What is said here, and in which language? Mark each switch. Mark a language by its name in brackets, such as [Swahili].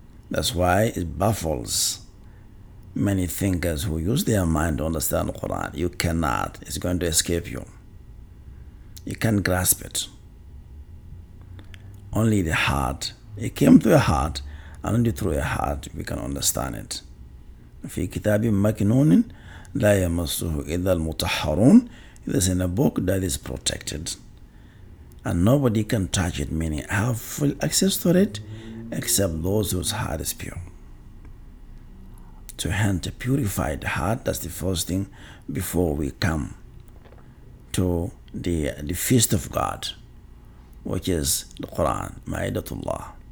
[English] That's why it baffles many thinkers who use their mind to understand Quran. You cannot. It's going to escape you. You can't grasp it. Only the heart. It came through your heart, and only through your heart we can understand it. [Arabic] في كتاب مكنون لا يمسه إلا المطهرون. [English] It is in a book that is protected, and nobody can touch it, meaning have full access to it, except those whose heart is pure. To hand a purified heart, that's the first thing before we come to the feast of God, which is the Quran, Ma'idatullah.